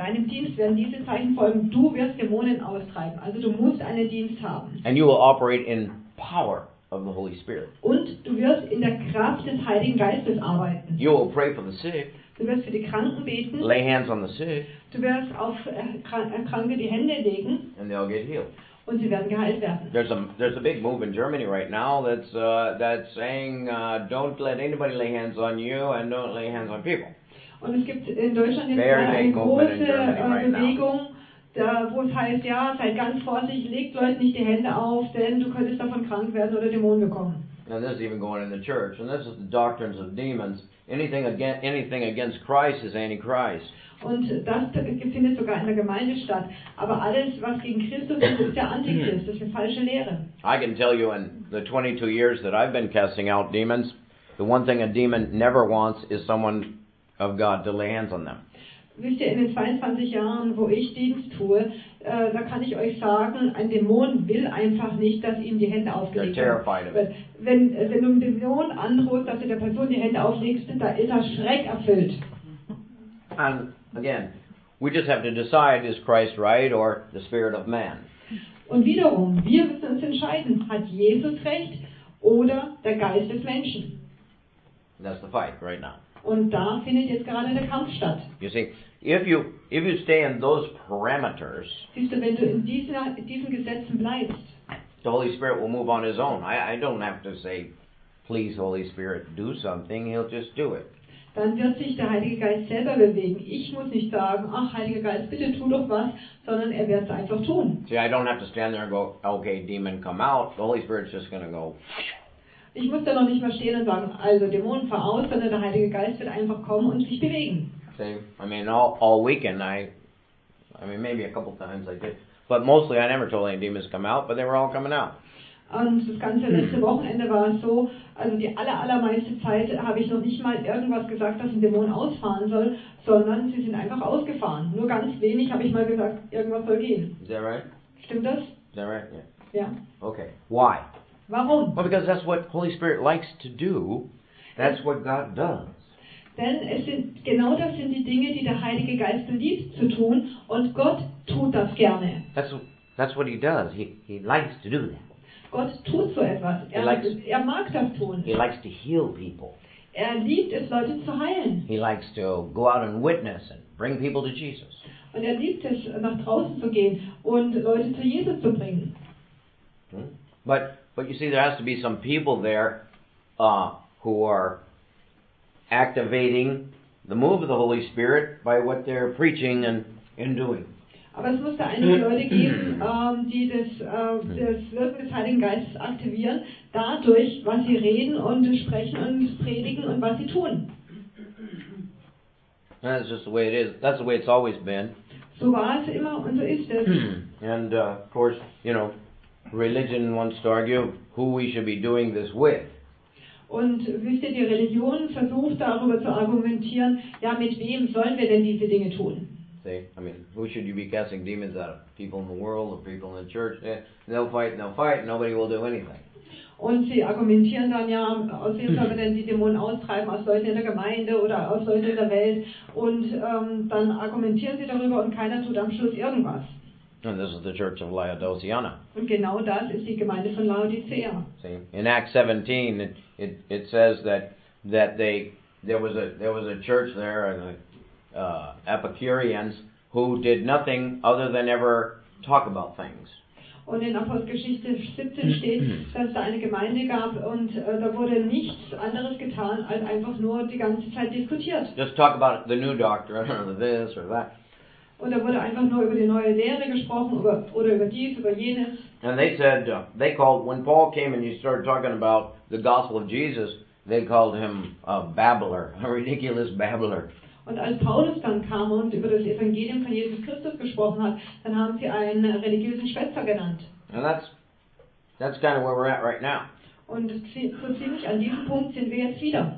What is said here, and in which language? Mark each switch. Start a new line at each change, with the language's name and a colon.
German: Deinem Dienst werden diese Zeichen folgen. Du wirst Dämonen austreiben. Also du musst einen Dienst haben.
English: And you will operate in power of the Holy Spirit.
German: Und du wirst in der Kraft des Heiligen Geistes arbeiten.
English: You will pray for the sick.
German: Du wirst für die Kranken beten.
English: Lay hands on the sick.
German: Du wirst auf Kranke die Hände legen.
English: And they'll get healed.
German: Und sie werden geheilt werden.
English: There's a big move in Germany right now that's saying don't let anybody lay hands on you and don't lay hands on people.
German: Und es gibt in Deutschland jetzt eine große Bewegung, wo es heißt, ja, seid ganz vorsichtig, legt Leuten nicht die Hände auf, denn du könntest davon krank werden oder Dämonen bekommen.
English: And this is even going in the church, and this is the doctrines of demons. Anything against Christ is antichrist.
German: Und das findet sogar in der Gemeinde statt. Aber alles, was gegen Christus ist, ist der Antichrist. Das ist eine falsche Lehre.
English: I can tell you in the 22 years that I've been casting out demons, the one thing a demon never wants is someone of God to lay hands on them.
German: Wisst ihr, in den 22 Jahren, wo ich Dienst tue, da kann ich euch sagen, ein Dämon will einfach nicht, dass ihm die Hände aufgelegt werden. Wenn du einem Dämon androhst, dass du der Person die Hände auflegst, da ist er schreckerfüllt.
English: And again, we just have to decide, is Christ right or the spirit of man?
German: Und wiederum, wir müssen uns entscheiden, hat Jesus recht oder der Geist des Menschen?
English: That's the fight right now.
German: Und da findet jetzt gerade der Kampf statt.
English: You see, if you stay in those parameters,
German: siehst du, wenn du in diesen Gesetzen bleibst,
English: the Holy Spirit will move on his own. I don't have to say, please, Holy Spirit, do something. He'll just do it.
German: Dann wird sich der Heilige Geist selber bewegen. Ich muss nicht sagen, ach, Heiliger Geist, bitte tu doch was, sondern er wird es einfach tun.
English: See, I don't have to stand there and go, okay, demon, come out. The Holy Spirit's just going to go.
German: Ich muss da noch nicht mal stehen und sagen, also Dämonen fahr aus, sondern der Heilige Geist wird einfach kommen und sich bewegen.
English: See, I mean, all weekend, I mean, maybe a couple times I did. But mostly I never told any demons to come out, but they were all coming out.
German: Und das ganze letzte Wochenende war so, also die allermeiste Zeit habe ich noch nicht mal irgendwas gesagt, dass ein Dämon ausfahren soll, sondern sie sind einfach ausgefahren. Nur ganz wenig habe ich mal gesagt, irgendwas soll gehen.
English: Is that right?
German: Stimmt das?
English: Is that right? Yeah. Yeah. Okay. Why?
German: Warum?
English: Well, because that's what Holy Spirit likes to do. That's what God does.
German: Denn es sind genau das sind die Dinge, die der Heilige Geist liebt zu tun, und Gott tut das gerne.
English: That's what he does. He likes to do that.
German: Gott tut so etwas. Er mag das tun.
English: He likes to heal people.
German: Er liebt es, Leute zu heilen.
English: He likes to go out and witness and bring people to Jesus.
German: Und er liebt es, nach draußen zu gehen und Leute zu Jesus zu bringen.
English: But you see, there has to be some people there who are activating the move of the Holy Spirit by what they're preaching and doing.
German: Aber es muss da einige Leute geben, die das Wirken des Heiligen Geistes aktivieren, dadurch, was sie reden und sprechen und predigen und was sie tun.
English: That's just the way it is. That's the way it's always been.
German: So war es immer und so ist es.
English: And of course, you know, religion wants to argue who we should be doing this with.
German: Und wisst ihr, die Religion versucht darüber zu argumentieren, ja, mit wem sollen wir denn diese Dinge tun?
English: See, I mean, who should you be casting demons out of? People in the world or people in the church? They'll fight, nobody will do anything.
German: Und sie argumentieren dann, ja, aus wem sollen wir denn die Dämonen austreiben? Aus Leuten in der Gemeinde oder aus Leuten in der Welt? Und dann argumentieren sie darüber und keiner tut am Schluss irgendwas.
English: And this is the church of Laodicea.
German: Und genau das ist die Gemeinde von Laodicea.
English: See, in Acts 17, it says that they there was a church there, and the Epicureans, who did nothing other than ever talk about things.
German: Und in Apostelgeschichte 17 steht, dass da eine Gemeinde gab und da wurde nichts anderes getan, als einfach nur die ganze Zeit diskutiert.
English: Just talk about the new doctrine, or this, or that.
German: Und da wurde einfach nur über die neue Lehre gesprochen, über dies, über jenes.
English: And they said, they called, when Paul came and he started talking about the gospel of Jesus, they called him a babbler, a ridiculous babbler.
German: Und als Paulus dann kam und über das Evangelium von Jesus Christus gesprochen hat, dann haben sie einen religiösen Schwätzer genannt.
English: And that's kind of where we're at right now.
German: Und so ziemlich an diesem Punkt sind wir jetzt wieder.